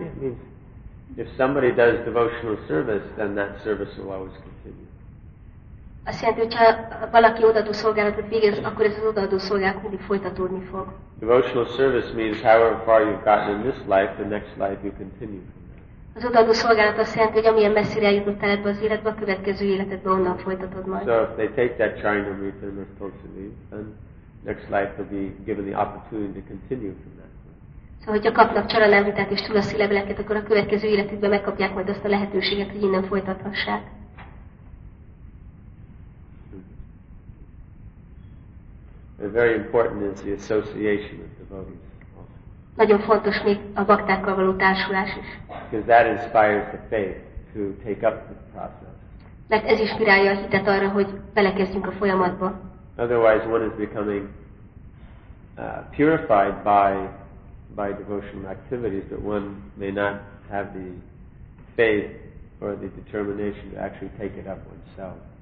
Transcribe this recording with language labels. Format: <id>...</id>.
<en>It means if somebody does devotional service, then that service will always continue.</en> <hu>Azt jelenti, hogy ha valaki odaadó szolgálatot végez, akkor ez az odaadó szolgálat mindig folytatódni fog.</hu> <en>Devotional service means however far you've gotten in this life, the next life you continue.</en> <hu>Az odaadó szolgálat azt jelenti, hogy amilyen messzire eljutottál ebbe az életbe, a következő életedbe onnan folytatod majd.</hu> <en>So if they take that Charanamrita and responsibility, then next life will be given the opportunity to continue from that.</en> <hu>Szóval, hogyha kapnak Charanamritát és tulaszi leveleket, akkor a következő életükben megkapják majd azt a lehetőséget, hogy innen folytathassák.</hu> <en>Very important is the association with devotees.</en> <hu>Nagyon fontos még a baktákkal való társulás is.</hu> <en>Because that inspires the faith to take up the process.</en> <hu>Mert ez inspirálja a hitet arra, hogy belekezdjünk a folyamatba.</hu> <en>Otherwise, one is becoming purified by devotional activities, but one may not have the faith or the determination to actually take it up oneself.</en>